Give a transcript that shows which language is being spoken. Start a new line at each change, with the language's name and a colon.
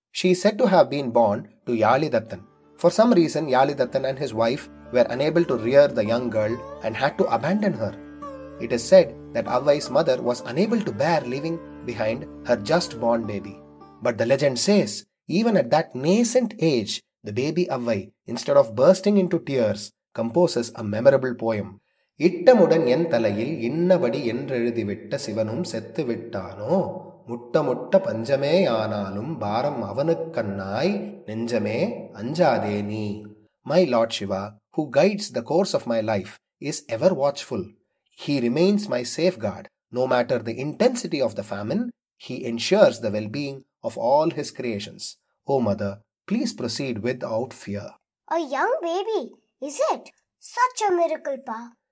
English: She is said to have been born to Yali Dattan. For some reason, Yali Dattan and his wife were unable to rear the young girl and had to abandon her. It is said that Avvai's mother was unable to bear leaving behind her just-born baby. But the legend says, even at that nascent age, the baby Avvai, instead of bursting into tears, composes a memorable poem.
Tamil: இட்டமுடன் என் தலையில் இன்னபடி என்றெழுதிவிட்ட சிவனும் செத்துவிட்டானோ முட்டமுட்ட பஞ்சமே ஆனாலும் பாரம் அவனுக்கண்ணாய் நெஞ்சமே அஞ்சாதே நீ.
English: My Lord Shiva, who guides the course of my life, is ever watchful. He remains my safeguard. No matter the intensity of the famine, he ensures the well-being of all his creations. O Mother, please proceed without fear. A young baby, is it? Such a miracle, Pa.